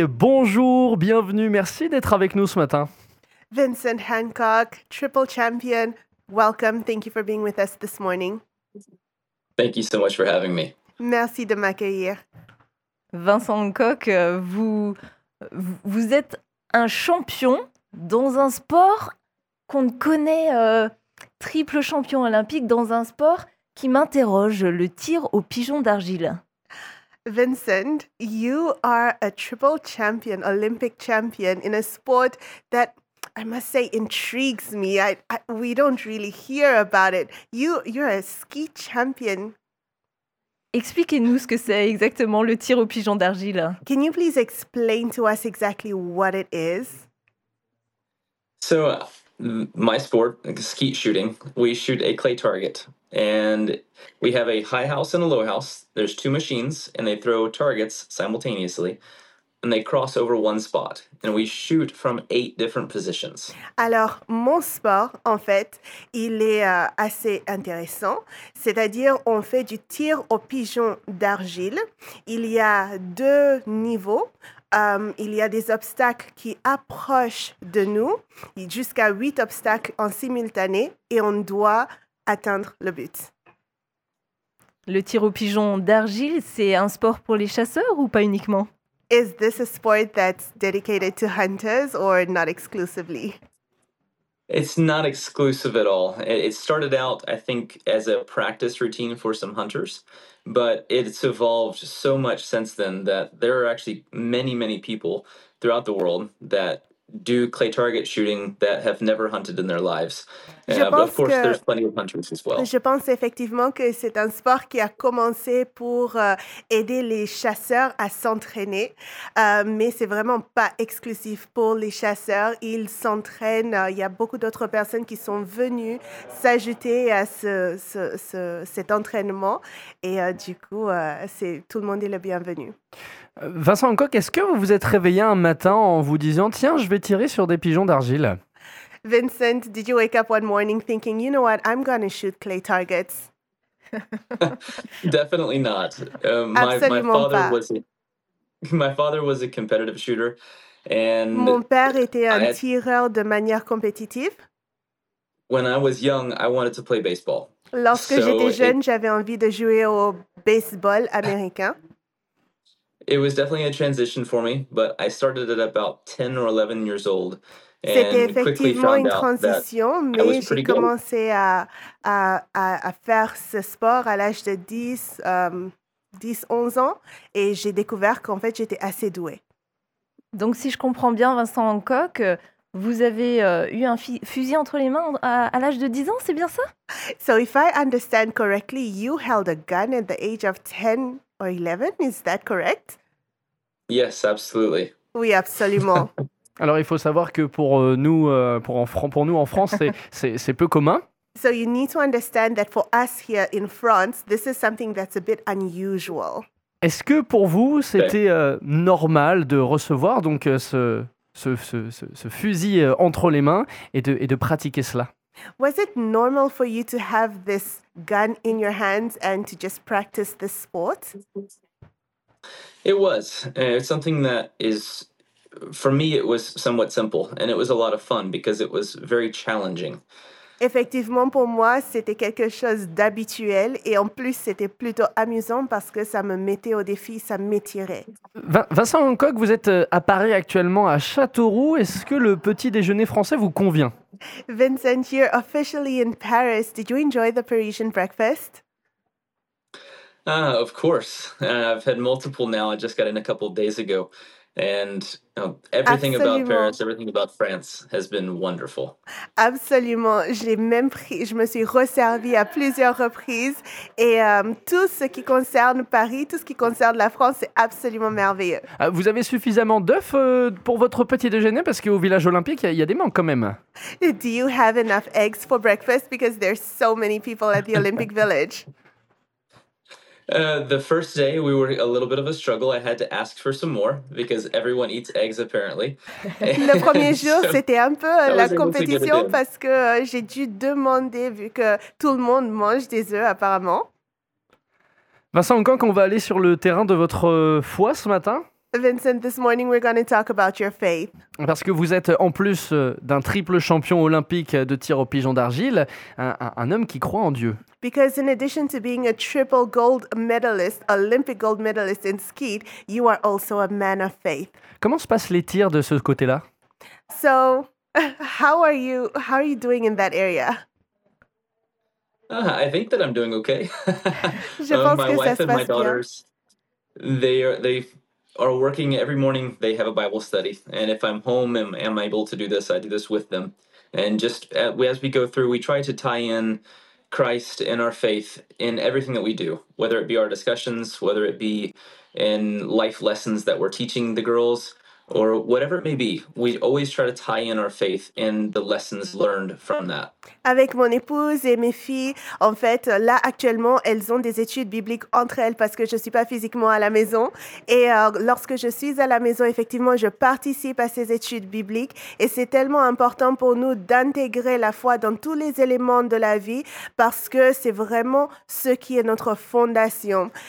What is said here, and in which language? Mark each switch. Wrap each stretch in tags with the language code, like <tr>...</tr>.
<fr>Bonjour, bienvenue, merci d'être avec nous ce matin. Vincent Hancock, triple champion.</fr> <en>Welcome, thank you for being with us this morning. Thank you so much for having me.</en> <fr>Merci de m'accueillir. Vincent Hancock, vous êtes un champion dans un sport qu'on ne connaît, triple champion olympique, dans un sport qui m'interroge, le tir au pigeon d'argile.</fr> <en>Vincent, you are a triple champion, Olympic champion, in a sport that, I must say, intrigues me. We don't really hear about it. You're a ski champion.</en> <fr>Expliquez-nous ce que c'est exactement, le tir au pigeon d'argile.</fr> <en>Can you please explain to us exactly what it is? So, my sport, skeet shooting, we shoot a clay target. And we have a high house and a low house. There's two machines, and they throw targets simultaneously. And they cross over one spot. And we shoot from eight different positions.</en> <fr>Alors, mon sport, en fait, il est assez intéressant. C'est-à-dire, on fait du tir au pigeon d'argile. Il y a deux niveaux. Il y a des obstacles qui approchent de nous, jusqu'à huit obstacles en simultané, et on doit atteindre le but. Le tir au pigeon d'argile, c'est un sport pour les chasseurs ou pas uniquement?</fr> <en>Is this a sport that's dedicated to hunters or not exclusively? It's not exclusive at all. It started out, I think, as a practice routine for some hunters. But it's evolved so much since then that there are actually many, many people throughout the world that do clay target shooting that have never hunted in their lives. But of course, there's plenty of hunters as well.</en> <fr>Je pense effectivement que c'est un sport qui a commencé pour aider les chasseurs à s'entraîner, mais c'est vraiment pas exclusif pour les chasseurs. Ils s'entraînent. Il y a beaucoup d'autres personnes qui sont venues s'ajouter à cet entraînement, et c'est tout le monde est le bienvenu. Vincent Hancock, est-ce que vous vous êtes réveillé un matin en vous disant « Tiens, je vais tirer sur des pigeons d'argile ?»</fr> <en>Vincent, did you wake up one morning thinking « You know what, I'm going to shoot clay targets ?» Definitely not. My father was a competitive shooter. And</en> <fr>mon père était un tireur de manière compétitive.</fr> <en>When I was young, I wanted to play baseball.</en> <fr>Lorsque j'étais jeune, j'avais envie de jouer au baseball américain.</fr> <en>It was definitely a transition for me, but I started at about 10 or 11 years old.</en> <fr>And c'était effectivement une transition, mais j'ai commencé à faire ce sport à l'âge de 10, 11 ans, et j'ai découvert qu'en fait j'étais assez douée. Donc si je comprends bien, Vincent Hancock, vous avez eu un fusil entre les mains à l'âge de 10 ans, c'est bien ça?</fr> <en>So if I understand correctly, you held a gun at the age of 10 or 11, is that correct? Yes, absolutely.</en> <fr>Oui, absolument. Alors, il faut savoir que pour nous en France, c'est peu commun.</fr> <en>So you need to understand that for us here in France, this is something that's a bit unusual.</en> <fr>Est-ce que pour vous, c'était normal de recevoir donc ce fusil entre les mains et de pratiquer cela?</fr> <en>Was it normal for you to have this gun in your hands and to just practice this sport? It was. It's something that is, for me, it was somewhat simple and it was a lot of fun because it was very challenging.</en> <fr>Effectivement, pour moi, c'était quelque chose d'habituel et en plus, c'était plutôt amusant parce que ça me mettait au défi, ça m'étirait. Vincent Hancock, vous êtes à Paris actuellement, à Châteauroux. Est-ce que le petit déjeuner français vous convient?</fr> <en>Vincent, you're officially in Paris. Did you enjoy the Parisian breakfast? Of course. I've had multiple now. I just got in a couple of days ago. And everything</en> <fr>Absolument.</fr> <en>About Paris, everything about France has been wonderful.</en> <fr>Absolument. Je me suis resservie à plusieurs reprises. Et tout ce qui concerne Paris, tout ce qui concerne la France, c'est absolument merveilleux. Vous avez suffisamment d'œufs pour votre petit déjeuner? Parce qu'au village olympique, il y a des manques quand même.</fr> <en>Do you have enough eggs for breakfast? Because there's so many people at the Olympic Village. The first day, we were a little bit of a struggle. I had to ask for some more because everyone eats eggs, apparently.</en> <fr>Le premier jour, so c'était un peu la compétition parce que j'ai dû demander vu que tout le monde mange des œufs, apparemment. Vincent, quand on va aller sur le terrain de votre foi ce matin?</fr> <en>Vincent, this morning we're going to talk about your faith.</en> <fr>Parce que vous êtes en plus d'un triple champion olympique de tir au pigeon d'argile, un homme qui croit en Dieu.</fr> <en>Because in addition to being a triple gold medalist, Olympic gold medalist in skeet, you are also a man of faith.</en> <fr>Comment se passent les tirs de ce côté-là?</fr> <en>So, how are you doing in that area? I think that I'm doing okay.</en> <fr>Je pense</fr> <en>my</en> <fr>que</fr> <en>wife</en> <fr>ça se passe</fr> <en>and my daughters,</en> <fr>bien.</fr> <en>They are working every morning. They have a Bible study, and if I'm home and am able to do this, I do this with them. And just as we go through, we try to tie in Christ and our faith in everything that we do, whether it be our discussions, whether it be in life lessons that we're teaching the girls, or whatever it may be, we always try to tie in our faith and the lessons learned from that.</en> <fr>Avec mon épouse et mes filles, en fait, là actuellement, elles ont des études bibliques entre elles parce que je ne suis pas physiquement à la maison. Et lorsque je suis à la maison, effectivement, je participe à ces études bibliques. Et c'est tellement important pour nous d'intégrer la foi dans tous les éléments de la vie parce que c'est vraiment ce qui est notre fondation.</fr>